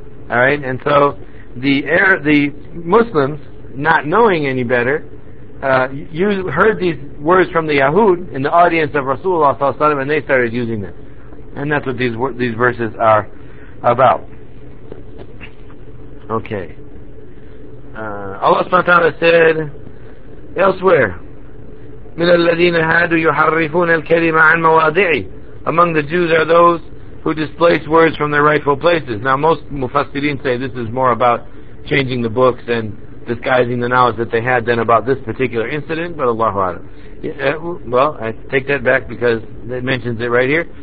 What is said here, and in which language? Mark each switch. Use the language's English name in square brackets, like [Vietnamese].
[English] Alright, and so the Muslims, not knowing any better, heard these words from the Yahud in the audience of Rasulullah sallallahu alaihi wasallam, and they started using them. And that's what these verses are about. Okay. Allah subhanahu wa ta'ala said elsewhere, [Arabic] مِنَ الَّذِينَ هَادُوا يُحَرِّفُونَ الْكَلِمَ عَنْ مَوَاضِعِ. [English] Among the Jews are those who displace words from their rightful places. Now most Mufassirin say this is more about changing the books and disguising the knowledge that they had than about this particular incident, but Allahu A'lam. Well, I take that back because it mentions it right here.